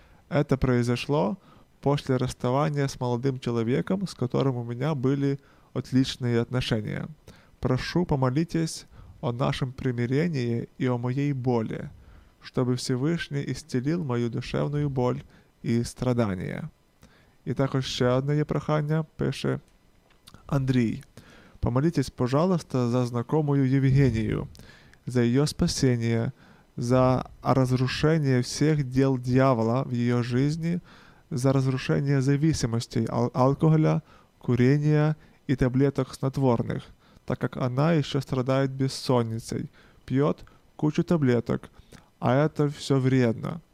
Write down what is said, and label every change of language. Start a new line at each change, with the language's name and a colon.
Russian: Это произошло после расставания с молодым человеком, с которым у меня были отличные отношения. Прошу, помолитесь о нашем примирении и о моей боли, чтобы Всевышний исцелил мою душевную боль и страдания.
Ukrainian: И також ще одне прохання пише Андрій.
Russian: Помолитесь, пожалуйста, за знакомую Евгению, за ее спасение, за разрушение всех дел дьявола в ее жизни, за разрушение зависимостей алкоголя, курения и таблеток снотворных, так как она еще страдает бессонницей, пьет кучу таблеток, а это все вредно.